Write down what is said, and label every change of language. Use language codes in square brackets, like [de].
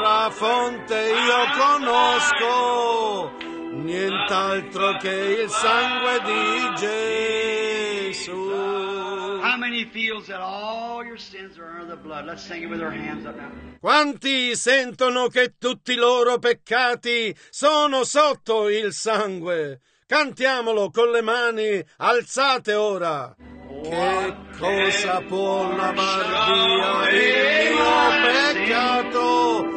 [it] fonte io conosco, nient'altro che il sangue di Gesù. [en] How many feels that all your sins are under the blood? Let's sing it with our hands up now. [it] Quanti sentono che tutti i loro peccati sono sotto il sangue? Cantiamolo con le mani alzate ora. Che cosa può lavar via il mio peccato?